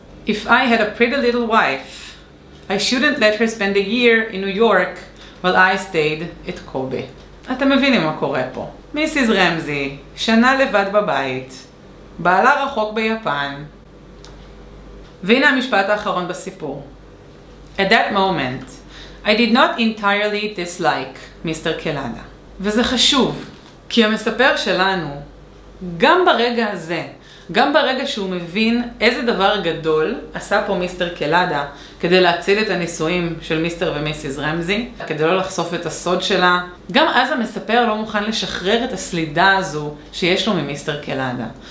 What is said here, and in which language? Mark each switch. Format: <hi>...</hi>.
<en>If I had a pretty little wife, I shouldn't let her spend a year in New York while I stayed at Kobe.</en> <he>אתם מבינים מה קורה פה. מיסיס רמזי, שנה לבד בבית, בעלה רחוק ביפן. והנה המשפט האחרון בסיפור.</he> <en>At that moment, I did not entirely dislike Mr. Kelada.</en> <he>וזה חשוב, כי המספר שלנו, גם ברגע הזה, גם ברגע שהוא מבין איזה דבר גדול עשה פה מיסטר קלאדה כדי להציל את הנישואים של מיסטר ומיסיס רמזי, כדי לא לחשוף את הסוד שלה, גם אז המספר לא מוכן לשחרר את הסלידה הזו שיש לו ממיסטר קלאדה.</he>